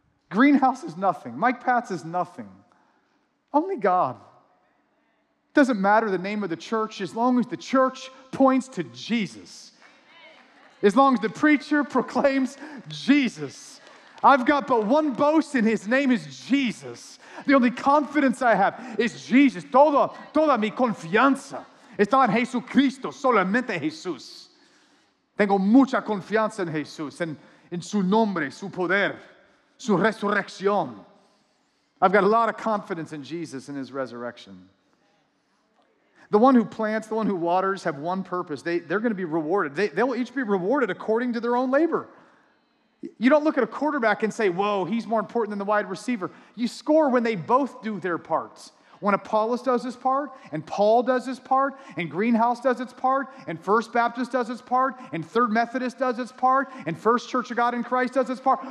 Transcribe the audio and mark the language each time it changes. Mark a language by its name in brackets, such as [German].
[English] Greenhouse is nothing. Mike Patz is nothing. Only God. It doesn't matter the name of the church, as long as the church points to Jesus. As long as the preacher proclaims Jesus. I've got but one boast, and his name is Jesus. The only confidence I have is Jesus. [Spanish] Toda mi confianza está en Jesucristo, solamente Jesús. Tengo mucha confianza en Jesús, en su nombre, su poder, su resurrección. [English] I've got a lot of confidence in Jesus and his resurrection. The one who plants, the one who waters have one purpose. They're going to be rewarded. They will each be rewarded according to their own labor. You don't look at a quarterback and say, whoa, he's more important than the wide receiver. You score when they both do their parts. When Apollos does his part, and Paul does his part, and Greenhouse does its part, and First Baptist does its part, and Third Methodist does its part, and First Church of God in Christ does its part.